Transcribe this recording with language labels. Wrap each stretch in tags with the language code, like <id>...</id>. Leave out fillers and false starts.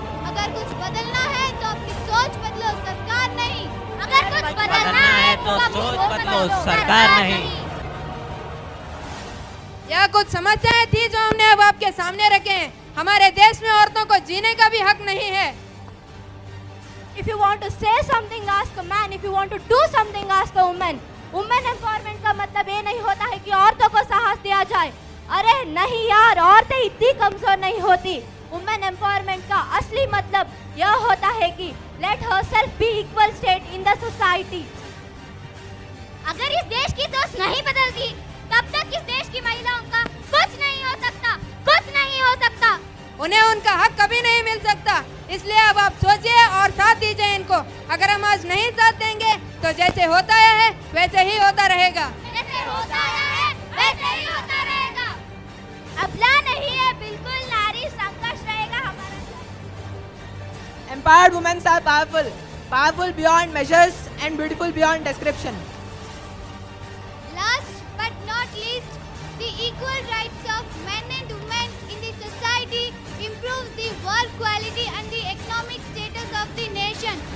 <hi>अगर कुछ बदलना है तो अपनी सोच बदलो सरकार नहीं, अगर कुछ बदलना है तो सोच बदलो सरकार नहीं। यह कुछ समस्याएं थी जो हमने अब आपके सामने रखे हैं। हमारे देश में औरतों को जीने का भी हक नहीं है।</hi> <en>If you want to say something, ask a man. If you want to do something, ask a woman.</en> <hi>Woman empowerment का मतलब ये नहीं होता है कि औरतों को साहस दिया जाए। अरे नहीं यार, औरतें इतनी कमजोर नहीं होती। Woman empowerment का असली मतलब यह होता है कि</hi> <en>let herself be equal state in the society.</en> <hi>अगर इस देश की सोच नहीं बदलती, तब तक इस देश की महिलाओं का कुछ नहीं हो सकता, कुछ नहीं हो सकता। उन्हें उनका हक कभी नहीं मिल सकता, इसलिए अब आप सोचिए और साथ दीजिए इनको। अगर हम आज नहीं साथ देंगे तो जैसे होता आया है वैसे ही होता रहेगा, जैसे होता आया है वैसे ही होता रहेगा। अबला नहीं है, बिल्कुल नारी संघर्ष रहेगा हमारा।</hi> <en>Empowered women are powerful, powerful beyond measures and beautiful beyond description. Last but not least, the equal rights of men and women in the society improve the world quality and the economic status of the nation.</en>